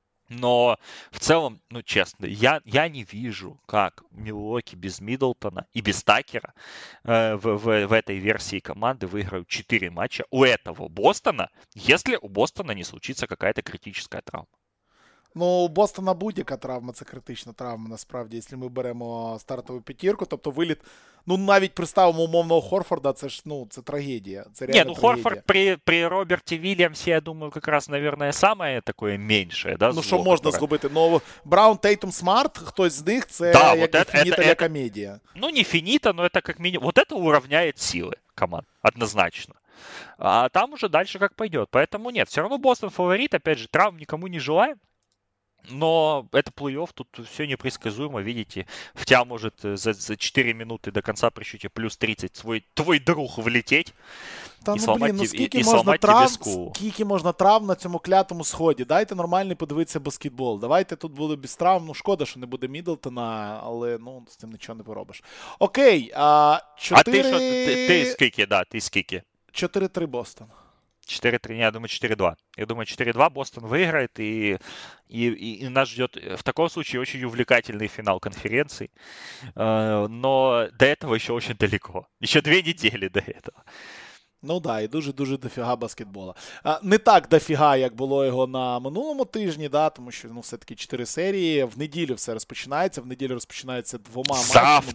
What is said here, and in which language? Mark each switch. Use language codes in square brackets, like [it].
[ru] Но в целом, ну честно, я не вижу, как Милуоки без Миддлтона и без Такера в этой версии команды выиграют 4 матча у этого Бостона, если у Бостона не случится какая-то критическая травма. [uk] Ну, у Бостона будь-яка травма, це критична травма, насправді, якщо ми беремо стартову п'ятірку, тобто виліт, ну, навіть приставимо умовного Хорфорда, це ж, ну, це трагедія, це реально трагедія. Ні, ну, Хорфорд при Роберті Вільямсі, я думаю, якраз, наверное, саме таке менше, да, ну, що можна зробити, ну, Браун, Тейтум, Смарт, хтось з них, це да, як вот фініта, як комедія. [ru] Ну, не фініта, но это как мінімум, вот это уравняет силы команд, однозначно. А там уже дальше как пойдет. Поэтому нет, все равно Бостон фаворит. Опять же, травм никому не желаем. Но это плей-офф, тут все непредсказуемо. Видите, в тебя может за 4 минуты до конца при счете плюс 30 твой друг влететь. Та, і ну, сломати, [uk] блін, ну скільки можна трав, скільки можна трав на цьому клятому сході? Дайте нормальний подивитися баскетбол. Давайте тут буде без травм. Ну, шкода, що не буде Міддлтона, але ну з цим нічого не поробиш. Окей, а 4... А ти скільки, да, ти скільки? 4-3 Бостон. 4-3, я думаю 4-2. [ru] Я думаю 4-2 Бостон виграет, и нас ждет в таком случае очень увлекательный финал конференции. Но до этого еще очень далеко. Еще 2 недели до этого. [uk] Ну да, і дуже-дуже дофіга баскетбола. А, не так дофіга, як було його на минулому тижні, да, тому що ну, все-таки 4 серії. В неділю все розпочинається. В неділю розпочинається двома матчами.